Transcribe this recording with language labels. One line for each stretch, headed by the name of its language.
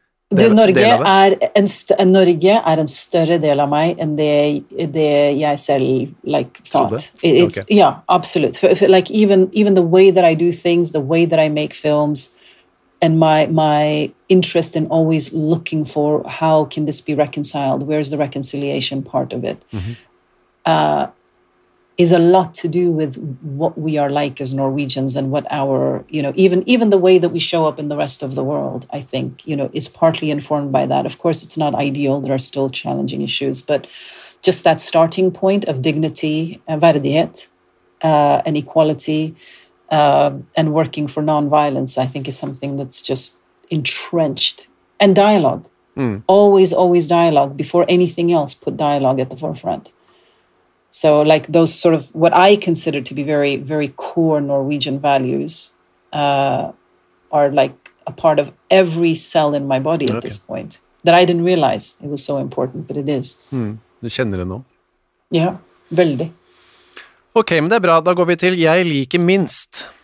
Norwegian: Norge en større del av meg enn det jeg selv
English: like thought. It's okay. Yeah, absolutely. Like even the way that I do things, the way that I make films and my interest in always looking for how can this be reconciled? Where's the reconciliation part of it? Mm-hmm. Is a lot to do with what we are like as Norwegians and what our, you know, even the way that we show up in the rest of the world, I think, you know, is partly informed by that. Of course, it's not ideal. There are still challenging issues, but just that starting point of dignity, verdighet, and equality, and working for nonviolence, I think is something that's just entrenched. And dialogue, always dialogue. Before anything else, put dialogue at the forefront. So like those sort of what I consider to be very, very core Norwegian values are like a part of every cell in my body at this point that I didn't realize it was so important, but it is.
Norwegian: Du kjenner det nå. Ja, veldig. Ok, men det bra. Da går vi til jeg liker minst.